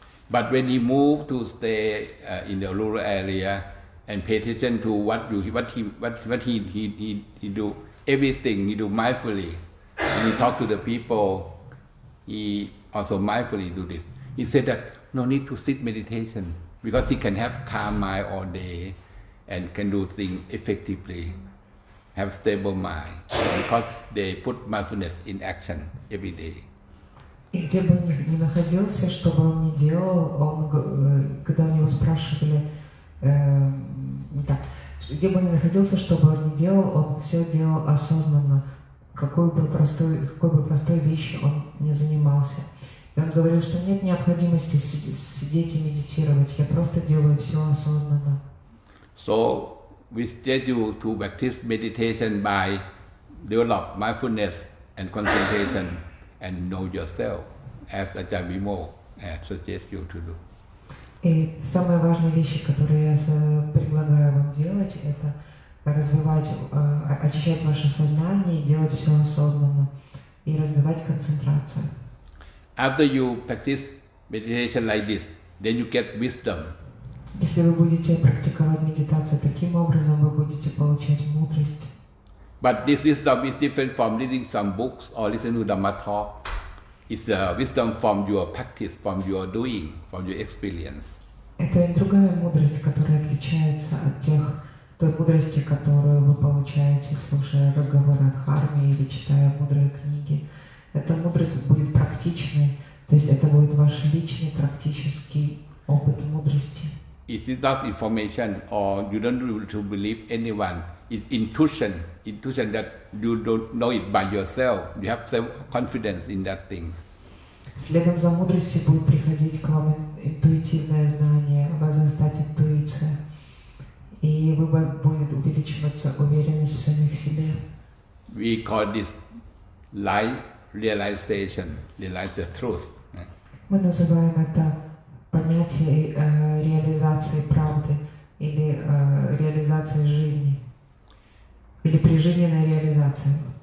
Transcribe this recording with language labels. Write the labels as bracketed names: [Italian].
[English] But when he moved to stay in the rural area and pay attention to what he do, everything he do mindfully, and he talk to the people, he also mindfully do this. He said that no need to sit meditation because he can have calm mind all day and can do things effectively, have stable mind because they put mindfulness in action every day. [Russian] И где бы он ни находился, что бы он ни делал, он, когда у него спрашивали, где бы он ни находился, что бы он ни делал, он все делал осознанно. Какой бы простой вещи он ни занимался. И он говорил, что нет необходимости сидеть и медитировать, я просто делаю все осознанно. [English] So we schedule to practice meditation by develop mindfulness and concentration. And know yourself, as Ajahn Vimo suggests you to do. [Russian] И самые важные вещи, которые я предлагаю вам делать, это развивать, очищать ваше сознание и делать все осознанно и развивать концентрацию. [English] After you practice meditation like this, then you get wisdom. [Russian] Если вы будете практиковать медитацию таким образом, вы будете получать мудрость. [English] But this wisdom is different from reading some books or listening to Dhamma talk. It's the wisdom from your practice, from your doing, from your experience. [Russian] Это другая мудрость, которая отличается от тех той мудрости, которую вы получаете, слушая разговоры о дхарме или читая мудрые книги. Эта мудрость будет практичной, то есть это будет ваш личный практический опыт мудрости. [English] is it not information, or you don't need to believe anyone. It's intuition, intuition that you don't know it by yourself. You have self-confidence in that thing. [Russian] Следом за мудростью будет приходить к вам интуитивное знание, у вас станет интуиция, и вы будет увеличиваться уверенность в самих себе. [English] We call this light realization, realize the truth. [Russian] Мы называем это понятие реализации правды или реализации жизни или прижизненная реализация.